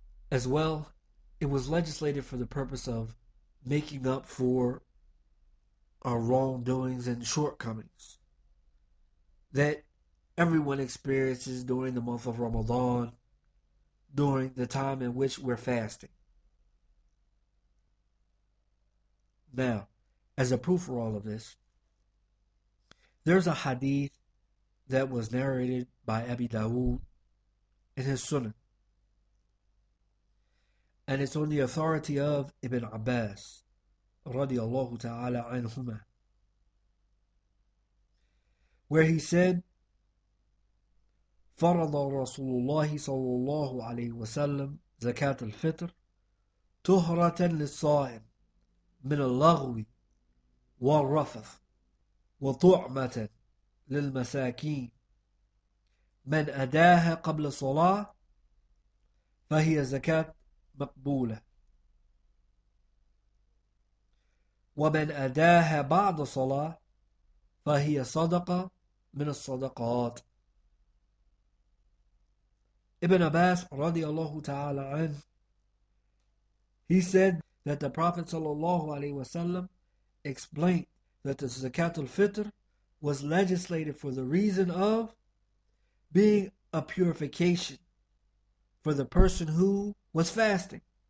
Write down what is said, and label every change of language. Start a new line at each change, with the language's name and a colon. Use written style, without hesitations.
English: As well, it was legislated for the purpose of making up for our wrongdoings and shortcomings that everyone experiences during the month of Ramadan, during the time in which we're fasting. Now, as a proof for all of this, there's a hadith that was narrated by Abi Dawud in his Sunan. And it's on the authority of Ibn Abbas,
Arabic: radiallahu ta'ala anhumah,
English: where he said,
Arabic: فَرَضَ رَسُولُ اللَّهِ صَلَّى اللَّهُ عَلَيْهِ وَسَلَّمْ زَكَاةَ الْفِطْرِ تُهْرَةً لِلصَّائِمِ من اللغو والرفث وطعمة للمساكين من أداها قبل صلاة فهي زكاة مقبولة ومن أداها بعد صلاة فهي صدقة من الصدقات.
English: Ibn Abbas
Arabic: رضي الله تعالى عنه,
English: he said that the Prophet ﷺ explained that the Zakat al-Fitr was legislated for the reason of being a purification for the person who was fasting.